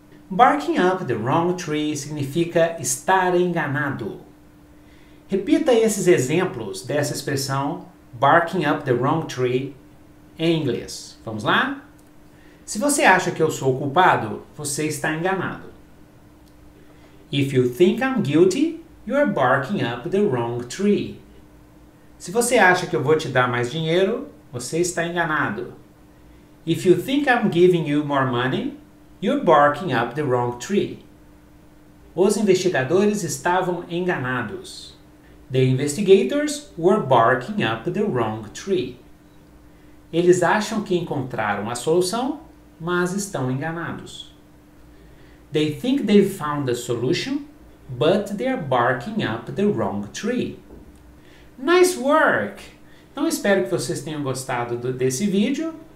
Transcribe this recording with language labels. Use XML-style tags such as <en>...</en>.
<en>Barking up the wrong tree</en> <pt>significa estar enganado. Repita esses exemplos dessa expressão</pt> <en>barking up the wrong tree</en> <pt>em inglês. Vamos lá? Se você acha que eu sou o culpado, você está enganado.</pt> <en>If you think I'm guilty, you are barking up the wrong tree.</en> <pt>Se você acha que eu vou te dar mais dinheiro, você está enganado.</pt> <en>If you think I'm giving you more money, you're barking up the wrong tree.</en> <pt>Os investigadores estavam enganados.</pt> <en>The investigators were barking up the wrong tree.</en> <pt>Eles acham que encontraram a solução, mas estão enganados.</pt> <en>They think they've found a solution, but they're barking up the wrong tree. Nice work!</en> <pt>Então, espero que vocês tenham gostado desse vídeo.</pt>